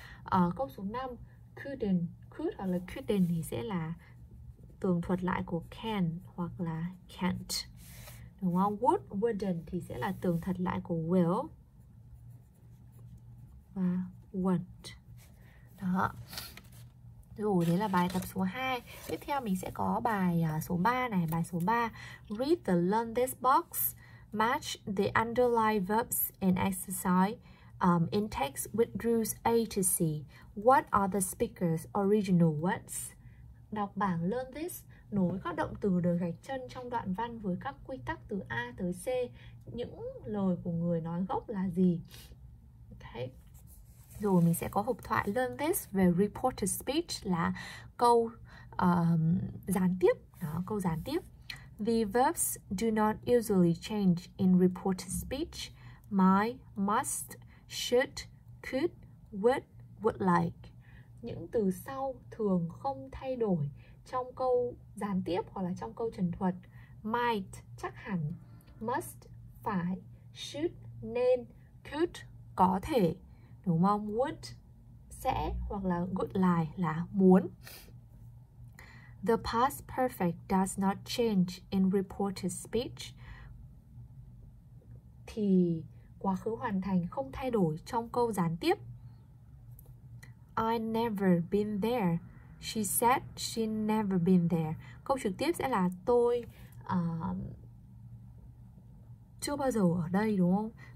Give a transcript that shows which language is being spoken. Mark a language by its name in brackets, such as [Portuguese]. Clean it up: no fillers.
[Vietnamese] Câu số 5, could hoặc là couldn't thì sẽ là tường thuật lại của can hoặc là can't, đúng không? Would, wouldn't thì sẽ là tường thuật lại của will và won't. Đó. Rồi, đấy là bài tập số 2. Tiếp theo mình sẽ có bài số 3 này. Bài số 3, [English] read the learn this box, match the underlying verbs in exercise in text with rules A to C. What are the speaker's original words? [Vietnamese] Đọc bảng learn this, nối các động từ đầu gạch chân trong đoạn văn với các quy tắc từ A tới C, những lời của người nói gốc là gì. Okay. Rồi mình sẽ có hộp thoại learn this về reported speech là câu gián tiếp. Đó, câu gián tiếp. [English] The verbs do not usually change in reported speech. My, must, should, could, would like. [Vietnamese] Những từ sau thường không thay đổi trong câu gián tiếp hoặc là trong câu trần thuật. Might, chắc hẳn, must, phải, should, nên, could, có thể, đúng không? Would, sẽ, hoặc là would like, là muốn. [English] The past perfect does not change in reported speech. [Vietnamese] Thì quá khứ hoàn thành không thay đổi trong câu gián tiếp. [English] I never been there. She said she never been there. [Vietnamese] Câu trực tiếp sẽ là tôi chưa bao giờ ở đây, đúng không?